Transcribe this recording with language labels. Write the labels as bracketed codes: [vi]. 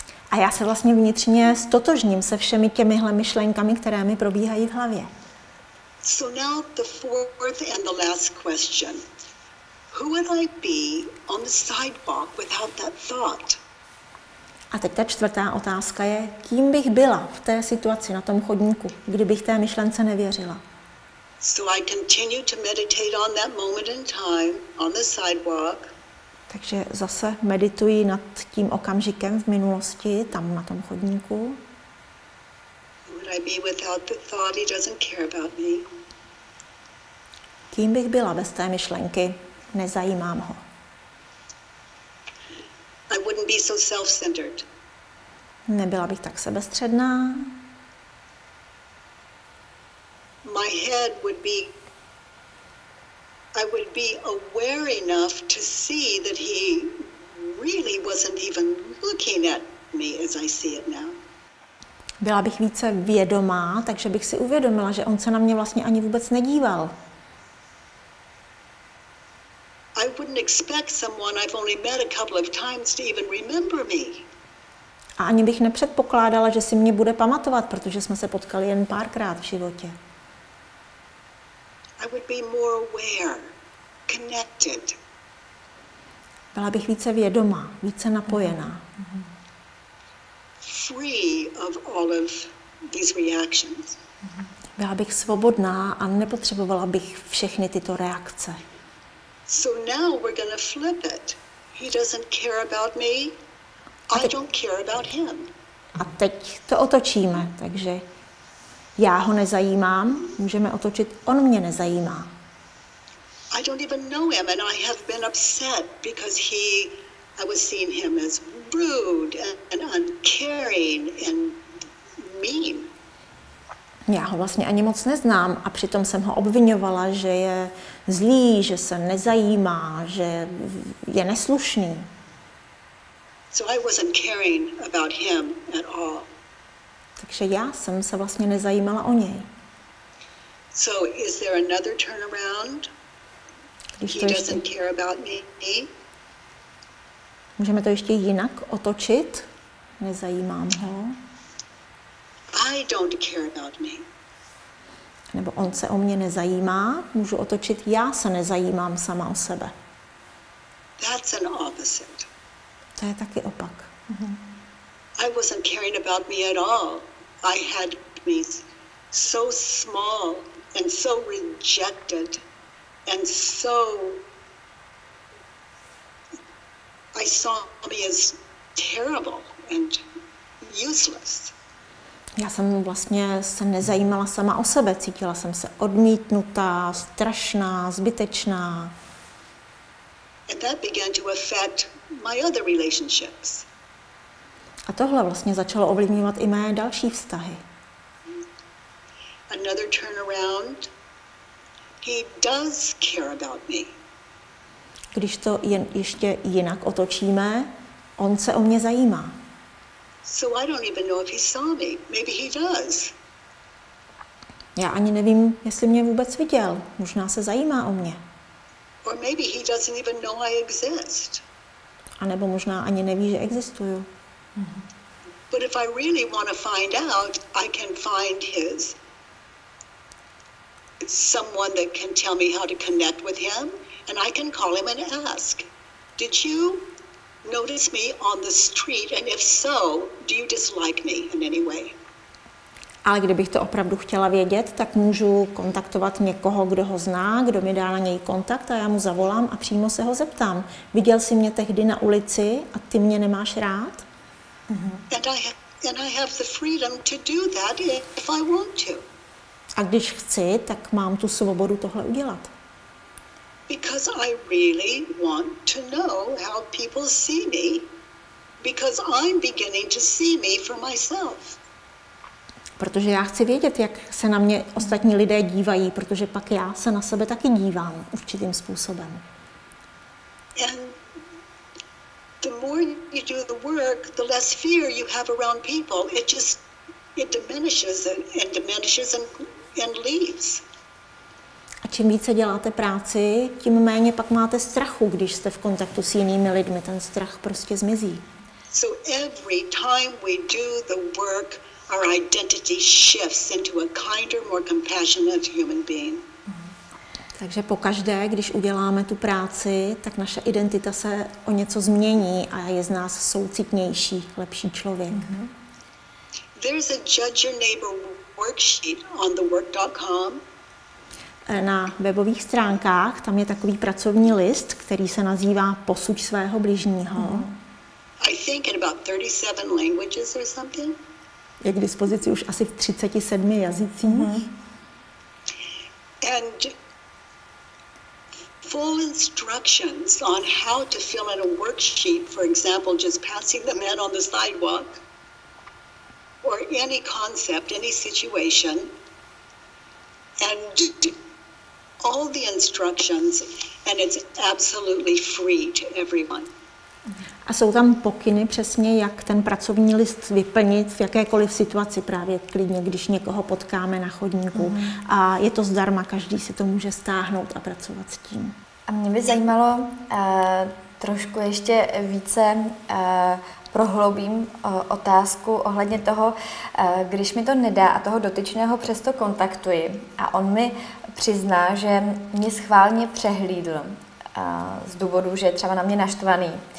[cs] A já se vlastně vnitřně ztotožním se všemi těmihle myšlenkami, které mi probíhají v hlavě. [en] So now the fourth and the last question. Who would I be on the sidewalk without that thought? [cs] A teď ta čtvrtá otázka je, kým bych byla v té situaci na tom chodníku, kdybych té myšlence nevěřila? [en] So I continue to meditate on that moment in time on the sidewalk. [cs] Takže zase medituji nad tím okamžikem v minulosti, tam na tom chodníku. [en] Would I be without the thought he doesn't care about me? [cs] Kým bych byla bez té myšlenky? Nezajímám ho. [en] I wouldn't be so self-centered. [cs] Nebyla bych tak sebestředná. [en] My head would be I would be aware enough to see that he really wasn't even looking at me as I see it now. [cs] Byla bych více vědomá, takže bych si uvědomila, že on se na mě vlastně ani vůbec nedíval. [en] I wouldn't expect someone I've only met a couple of times to even remember me. [cs] A ani bych nepředpokládala, že si mě bude pamatovat, protože jsme se potkali jen párkrát v životě. [en] I would be more aware, connected. [cs] Byla bych více vědomá, více napojená. [en] Free of all of these reactions. [cs] Byla bych svobodná a nepotřebovala bych všechny tyto reakce. [en] So now we're going to flip it. He doesn't care about me. I don't care about him. [cs] A teď to otočíme, takže já ho nezajímám, můžeme otočit, on mě nezajímá. [en] I don't even know him and I have been upset because I was seeing him as rude and uncaring and mean. [cs] Já ho vlastně ani moc neznám a přitom jsem ho obvinovala, že je zlý, že se nezajímá, že je neslušný. [en] So I wasn't caring about him at all. [cs] Takže já jsem se vlastně nezajímala o něj. [en] So is there another turnaround? He doesn't care about me. [cs] Můžeme to ještě jinak otočit? Nezajímám ho. [en] I don't care about me. [cs] Nebo on se o mě nezajímá, můžu otočit, já se nezajímám sama o sebe. [en] That's an opposite. [cs] To je taky opak. [en] I wasn't caring about me at all. I had me so small and so rejected and so I saw me as terrible and useless. [cs] Já jsem vlastně se nezajímala sama o sebe, cítila jsem se odmítnutá, strašná, zbytečná. [en] And that began to affect my other relationships. [cs] A tohle vlastně začalo ovlivňovat i mé další vztahy. [en] Another turnaround. He does care about me. [cs] Když to jen ještě jinak otočíme, on se o mě zajímá. [en] So I don't even know if he saw me. Maybe he does. [cs] Já ani nevím, jestli mě vůbec viděl. Možná se zajímá o mě. [en] Or maybe he doesn't even know I exist. [cs] A nebo možná ani neví, že existuju. [en] But if I really want to find out, I can find his. Someone that can tell me how to connect with him, and I can call him and ask, did you notice me on the street, and if so, do you dislike me in any way? [cs] Ale kdybych to opravdu chtěla vědět, tak můžu kontaktovat někoho, kdo ho zná, kdo mi dá na něj kontakt a já mu zavolám a přímo se ho zeptám. Viděl jsi mě tehdy na ulici a ty mě nemáš rád? [en] And I have the freedom to do that if I want to. [cs] A když chci, tak mám tu svobodu tohle udělat. [en] Because I really want to know how people see me, because I'm beginning to see me for myself. [cs] Protože já chci vědět, jak se na mě ostatní lidé dívají, protože pak já se na sebe taky dívám určitým způsobem. [en] And the more you do the work, the less fear you have around people. It diminishes and leaves. [cs] A čím více děláte práci, tím méně pak máte strachu, když jste v kontaktu s jinými lidmi, ten strach prostě zmizí. [en] So every time we do the work, our identity shifts into a kinder, more compassionate human being. [cs] Takže pokaždé, když uděláme tu práci, tak naše identita se o něco změní a je z nás soucitnější, lepší člověk. [en] There's a judge your neighbor worksheet on thework.com. [cs] Na webových stránkách tam je takový pracovní list, který se nazývá Posuď svého bližního. [en] I think in about 37 languages or something. [cs] Je k dispozici už asi v 37 jazycích. [en] And full instructions on how to fill out a worksheet, for example, just passing the man on the sidewalk, or any concept, any situation, and all the instructions, and it's absolutely free to everyone. [cs] A jsou tam pokyny přesně, jak ten pracovní list vyplnit v jakékoliv situaci, právě klidně, když někoho potkáme na chodníku. A je to zdarma, každý si to může stáhnout a pracovat s tím. A mě by zajímalo, trošku ještě více prohloubím otázku ohledně toho, když mi to nedá a toho dotyčného přesto kontaktuji a on mi přizná, že mě schválně přehlídl z důvodu, že je třeba na mě naštvaný.